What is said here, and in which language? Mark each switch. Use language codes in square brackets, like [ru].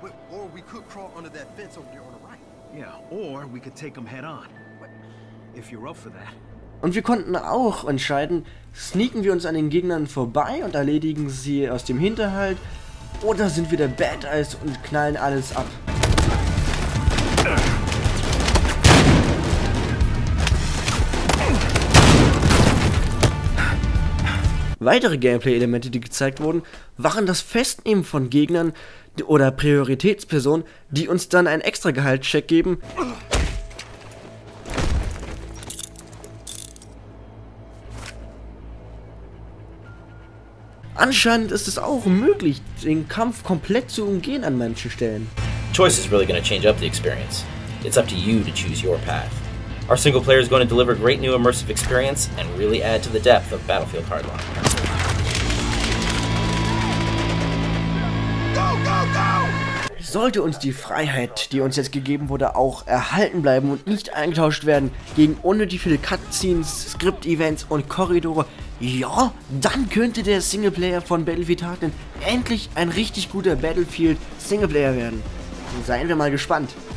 [en] Or we could crawl under that fence over there on the right. Yeah, or we could take them head on. If you're up for that. [de] Und wir konnten auch entscheiden, sneaken wir uns an den Gegnern vorbei und erledigen sie aus dem Hinterhalt, oder sind wir der Badass und knallen alles ab. Weitere Gameplay-Elemente, die gezeigt wurden, waren das Festnehmen von Gegnern oder Prioritätspersonen, die uns dann einen extra Gehaltscheck geben. Anscheinend ist es auch möglich, den Kampf komplett zu umgehen an manchen Stellen. [en] Choice is really going to change up the experience. It's up to you to choose your path. Our single player is going to deliver great new immersive experience and really add to the depth of Battlefield Hardline. [de] Sollte uns die Freiheit, die uns jetzt gegeben wurde, auch erhalten bleiben und nicht eingetauscht werden gegen unnötig viele Cutscenes, Skript-Events und Korridore, ja, dann könnte der Singleplayer von Battlefield Hardline endlich ein richtig guter Battlefield-Singleplayer werden. Seien wir mal gespannt.